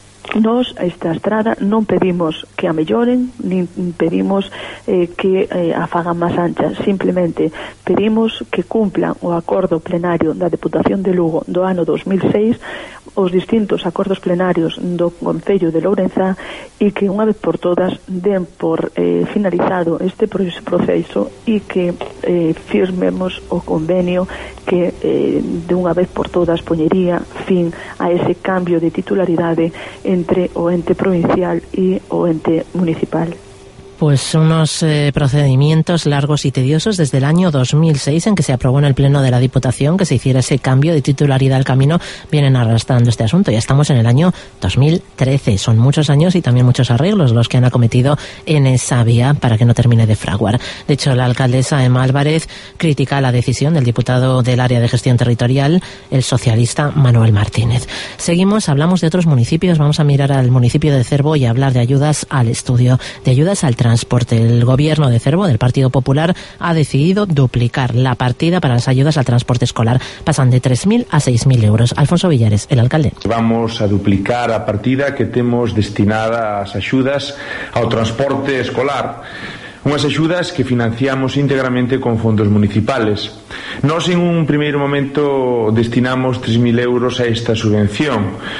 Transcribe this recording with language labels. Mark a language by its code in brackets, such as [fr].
[gl] Nos, esta estrada, non pedimos que a melloren, nin pedimos que a fagan máis ancha, simplemente pedimos que cumplan o acordo plenario da Deputación de Lugo do ano 2006, os distintos acordos plenarios do Concello de Lourenzá, e que unha vez por todas den por finalizado este proceso e que firmemos o convenio que de unha vez por todas poñería fin a ese cambio de titularidade entre o ente provincial e o ente municipal. [es] Pues unos procedimientos largos y tediosos desde el año 2006 en que se aprobó en el Pleno de la Diputación que se hiciera ese cambio de titularidad al camino, vienen arrastrando este asunto. Ya estamos en el año 2013. Son muchos años y también muchos arreglos los que han acometido en esa vía para que no termine de fraguar. De hecho, la alcaldesa Emma Álvarez critica la decisión del diputado del área de gestión territorial, el socialista Manuel Martínez. Seguimos, hablamos de otros municipios. Vamos a mirar al municipio de Cervo y hablar de ayudas al estudio, de ayudas al transporte. El gobierno de Cervo, del Partido Popular, ha decidido duplicar la partida para las ayudas al transporte escolar. Pasan de 3.000 a 6.000 euros. Alfonso Villares, el alcalde. [gl] Vamos a duplicar a partida que temos destinada ás axudas ao transporte escolar. Unhas axudas que financiamos íntegramente con fondos municipales. Nos, en un primeiro momento, destinamos 3.000 euros a esta subvención.